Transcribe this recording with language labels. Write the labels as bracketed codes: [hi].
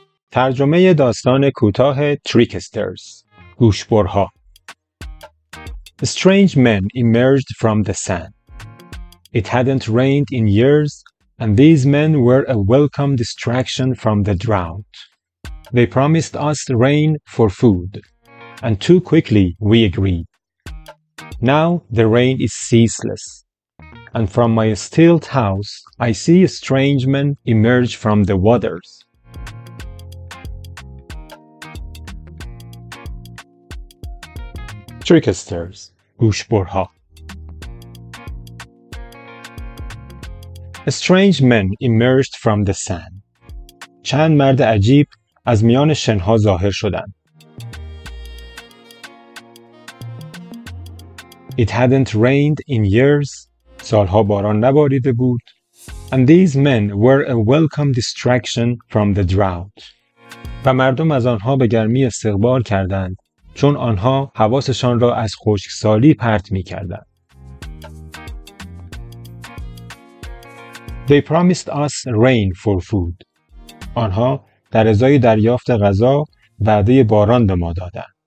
[fa] ترجمه داستان کوتاه تریکسترز، گوشبرها. [en] Strange men emerged from the sand. It hadn't rained in years, and these men were a welcome distraction from the drought. They promised us rain for food, and too quickly we agreed. Now the rain is ceaseless, and from my stilt house I see strange men emerge from the waters. [fa] تریکسترز، گوشبرها. [en] Strange men emerged from the sand. [fa] چند مرد عجیب از میان شنها ظاهر شدند. [en] It hadn't rained in years. [fa] سالها باران نباریده بود. [en] And these men were a welcome distraction from the drought. [fa] و مردم از آنها به گرمی استقبال کردند، چون آنها حواسشان را از خشکسالی پرت می کردند. [en] They promised us rain for food. [fa] آنها در ازای دریافت غذا وعده باران به ما دادند.